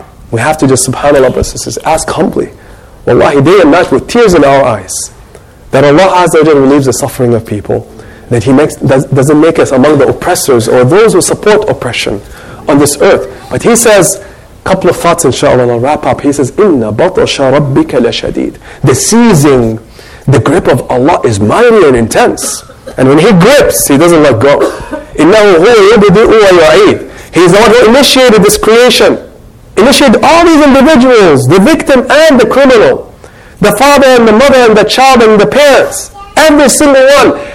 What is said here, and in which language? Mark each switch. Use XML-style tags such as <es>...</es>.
<en>We have to just, subhanAllah, brothers and sisters, ask humbly. Wallahi, day and night with tears in our eyes. That Allah Azza wa Jalla relieves the suffering of people. That He makes doesn't make us among the oppressors or those who support oppression on this earth. But He says, a couple of thoughts, inshallah, and I'll wrap up.</en> <ar>He says, إِنَّ بَطْشَ رَبِّكَ لَشَدِيدٌ.</ar> <en>The seizing, the grip of Allah is mighty and intense. And when He grips, He doesn't let go.</en> <ar>إِنَّهُ هُوَ يَبْدِئُ وَيُعِيدُ.</ar> <en>He's the one who initiated this creation. Initiated all these individuals, the victim and the criminal, the father and the mother and the child and the parents, every single one.</en>